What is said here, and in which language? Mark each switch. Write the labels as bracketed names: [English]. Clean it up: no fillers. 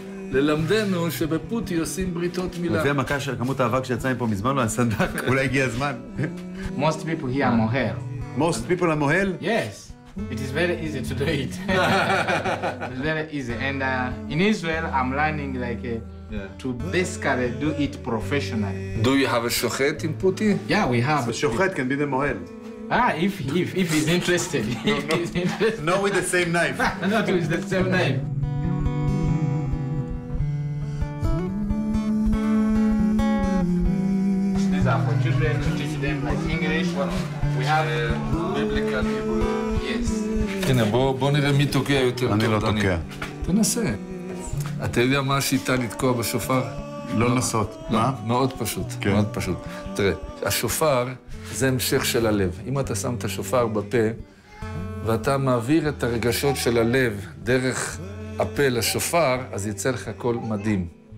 [Hebrew] ללמדנו שבפוטי עושים בריתות מילה. לפי המכה של כמות האבק שיצא מפה מזמן לו, הסנדק, אולי הגיע הזמן. [English] Most people here are מוהל. Most people are מוהל? Yes. It is very easy to do it. It is very easy. And in Israel, I'm learning like to basically do it professionally. Do you have a שוחט in פוטי? Yeah, we have. So שוחט can be the מוהל. Ah, if he's interested. No, no. Not with the same knife. Not with the same knife. For children to teach them like English, well, we have biblical Hebrew. Yes. [Hebrew] הנה, בוא נראה מי תוקע יותר טוב. אני לא תוקע. תנסה. אתה יודע מה השיטה לתקוע בשופר? לא לנסות. מה? מאוד פשוט, מאוד פשוט. תראה, השופר זה המשך של הלב. אם אתה שם את השופר בפה, ואתה מעביר את הרגשות של הלב דרך הפה לשופר, אז יצא לך הכל מדהים.